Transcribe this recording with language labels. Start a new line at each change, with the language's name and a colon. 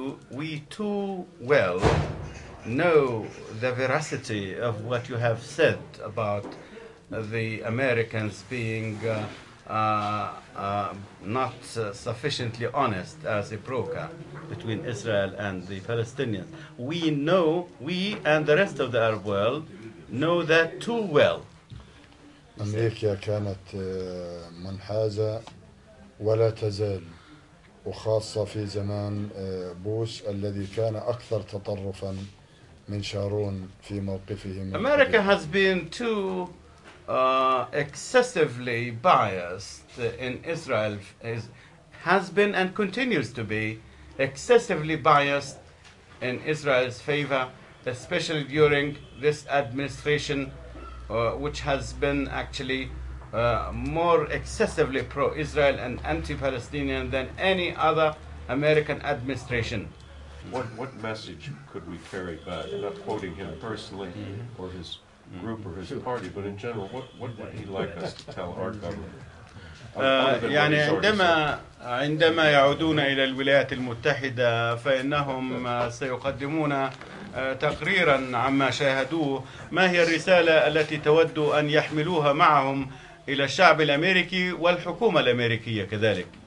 English: we too well know the veracity of what you have said about the Americans being not sufficiently honest as a broker between Israel and the Palestinians. We know, we and the rest of the Arab world know that too well.
Arabic: أمريكا كانت منحازة ولا تزال وخاصة في زمان بوش الذي كان أكثر تطرفا من شارون في موقفه من
English: America has been too excessively biased in Israel has been and continues to be excessively biased in Israel's favor especially during this administration which has been actually more excessively pro-Israel and anti-Palestinian than any other American administration. What message could we carry back? I'm not quoting him personally or his group or his party, but in general, what would he like us to tell our government?
Arabic: يعني عندما يعودون إلى الولايات المتحدة فإنهم سيقدمون تقريرا عما شاهدوه ما هي الرسالة التي تود أن يحملوها معهم إلى الشعب الأمريكي والحكومة الأمريكية كذلك